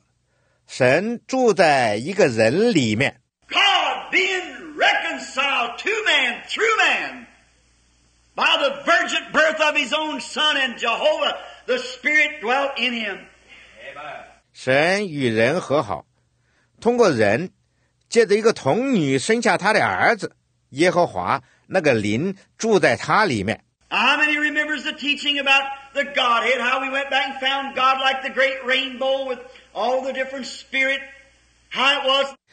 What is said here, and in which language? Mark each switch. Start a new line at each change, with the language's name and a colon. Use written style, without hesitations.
Chinese: 那个身体耶稣只是神的住所，神住在一个人里面。
English: God being reconciled to man through man by the virgin birth of his own son and Jehovah, the Spirit dwelt in him.
Chinese: 神与人和好，通过人借着一个童女生下他的儿子，耶和华那个灵住在他里面。
English: How many remembers the teaching about the Godhead, how we went back and found God like the great rainbow with all the different spirit, how it was?